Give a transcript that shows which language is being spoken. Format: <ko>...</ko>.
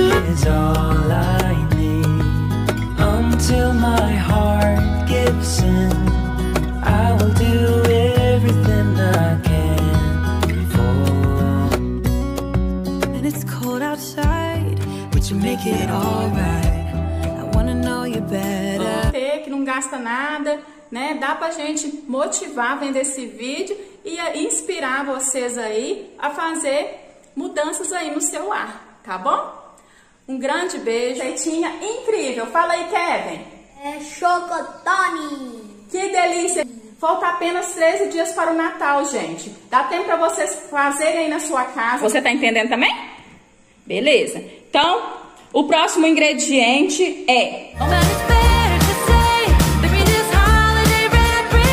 <en>It's all I need until my heart gives in. I will do everything I can for. And it's cold outside, but you make it all right. I wanna know you better.</en> <pt>Que não gasta nada, né? Dá pra gente motivar vendo esse vídeo e inspirar vocês aí a fazer mudanças aí no seu ar, tá bom? Um grande beijo. Receitinha incrível. Fala aí, Kevin. É Chocotone. Que delícia. Falta apenas 13 dias para o Natal, gente. Dá tempo para vocês fazerem aí na sua casa. Você tá entendendo também? Beleza. Então, o próximo ingrediente é...</pt> <en>Oh, man, it's better to say that we just holiday ready.</en>